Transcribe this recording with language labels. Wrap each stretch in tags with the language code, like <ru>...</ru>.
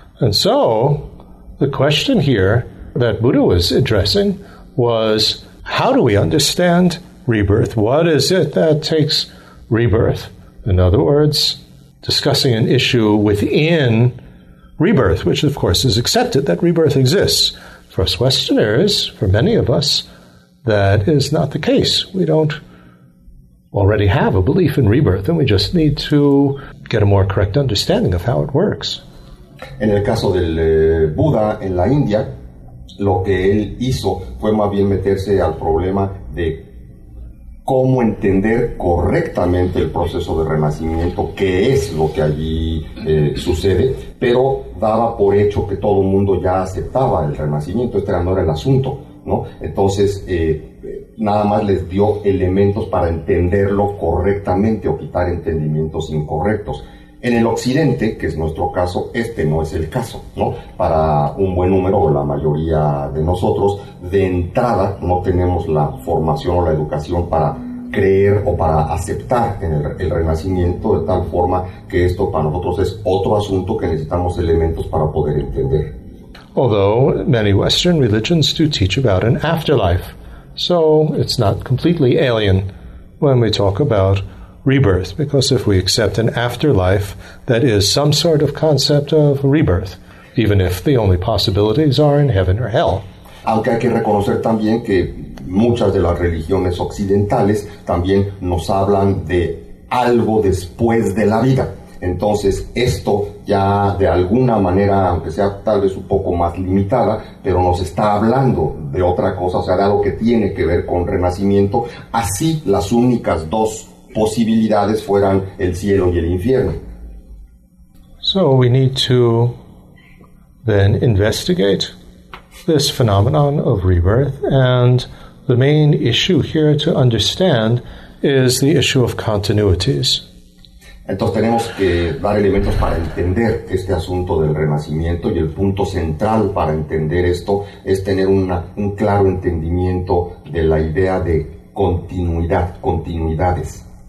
<en>And so the question here that Buddha was addressing was, how do we understand rebirth. What is it that takes rebirth? In other words, discussing an issue within rebirth, which of course is accepted that rebirth exists. For us Westerners, for many of us, that is not the case. We don't already have a belief in rebirth, and we just need to get a more correct understanding of how it works.</en> <es>En el caso del Buda en la India, lo que él hizo fue más bien meterse al problema de cómo entender correctamente el proceso de renacimiento, qué es lo que allí sucede, pero daba por hecho que todo el mundo ya aceptaba el renacimiento, este no era el asunto, ¿no? Entonces, nada más les dio elementos para entenderlo correctamente o quitar entendimientos incorrectos. En el occidente, que es nuestro caso, este no es el caso, ¿no? Para un buen número, o la mayoría de nosotros, de entrada no tenemos la formación o la educación para creer o para aceptar el renacimiento, de tal forma que esto para nosotros es otro asunto que necesitamos elementos para poder entender.</es> <en>Although many Western religions do teach about an afterlife, so it's not completely alien when we talk about rebirth, because if we accept an afterlife, that is some sort of concept of rebirth, even if the only possibilities are in heaven or hell.</en> <es>Aunque hay que reconocer también que muchas de las religiones occidentales también nos hablan de algo después de la vida. Entonces, esto ya de alguna manera, aunque sea tal vez un poco más limitada, pero nos está hablando de otra cosa, o sea, de algo que tiene que ver con renacimiento. Así, las únicas dos posibilidades fueran el cielo y el infierno.</es> <en>So we need to then investigate this phenomenon of rebirth, and the main issue here to understand is the issue of continuities.</en> <es>Entonces tenemos que dar elementos para entender este asunto del renacimiento, y el punto central para entender esto es tener un claro entendimiento de la idea de continuidad, continuidades.</es>